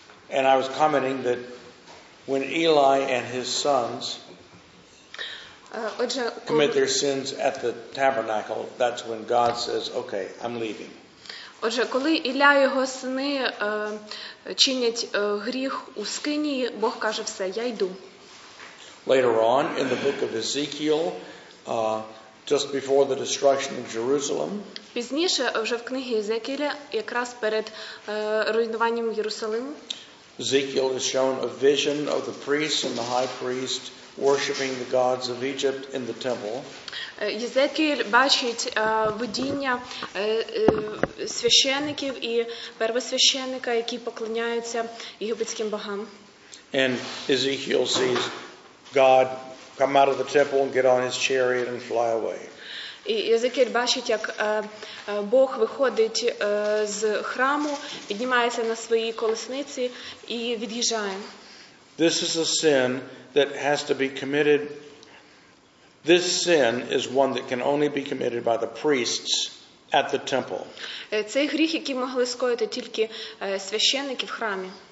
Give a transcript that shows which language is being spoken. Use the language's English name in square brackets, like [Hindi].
[English] And I was commenting that when Eli and his sons commit their sins at the tabernacle, that's when God says, okay, I'm leaving. [Ukrainian] Отже, коли Ілля і його сини чинять гріх у скинії, Бог каже, все, я йду. [English] Later on, in the book of Ezekiel, just before the destruction of Jerusalem. [Ukrainian] Пізніше, вже в книгі Єзекіля, якраз перед руйнуванням Єрусалиму. [English] Ezekiel is shown a vision of the priests and the high priest worshiping the gods of Egypt in the temple. [Ukrainian] Єзекіль бачить видіння священників і первосвященика, які поклоняються єгипетським богам. [English] And Ezekiel sees God come out of the temple and get on his chariot and fly away. [Ukrainian] І Єзекіль бачить, як Бог виходить з храму, піднімається на своїй колесниці і від'їжджає. [English] This is a sin that has to be committed. This sin is one that can only be committed by the priests at the temple. [Ukrainian] Цей гріх, який могли скоїти тільки священники в храмі.